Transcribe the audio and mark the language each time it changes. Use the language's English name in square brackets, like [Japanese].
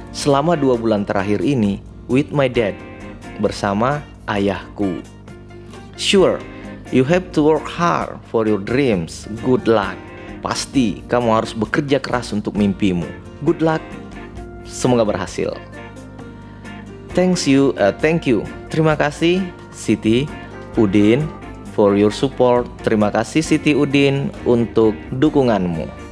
[Indonesian] Selama 2 bulan terakhir ini [English] with my dad, [Indonesian] bersama ayahku. [English] Sure, you have to work hard for your dreams. Good luck. [Indonesian] Pasti kamu harus bekerja keras untuk mimpimu. [English] Good luck. [Indonesian] Semoga berhasil. [English] Thank you. [Indonesian] Terima kasih [English] Siti Udin for your support. [Indonesian] Terima kasih Siti Udin untuk dukunganmu.